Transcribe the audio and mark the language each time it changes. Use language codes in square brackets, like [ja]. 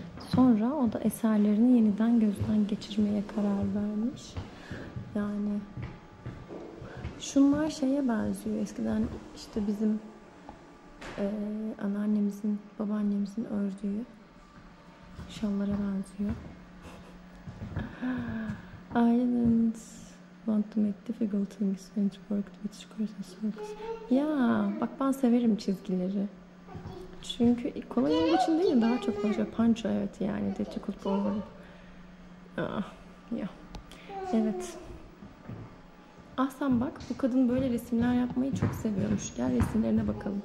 [tr] Sonra o da eserlerini yeniden gözden geçirmeye karar vermiş. Yani şunlar şeye benziyor. Eskiden işte bizim anneannemizin, babaannemizin ördüğü şallara benziyor. [en] I didn't want to make difficult things and work with squares and circles. [tr] Ya, bak ben severim çizgileri. Çünkü kolay olduğu için değil mi? Daha çok konuşuyor. Pancho, evet yani. [en] Dirty football [tr] var. Evet. Ahsen bak, bu kadın böyle resimler yapmayı çok seviyormuş. Gel resimlerine bakalım.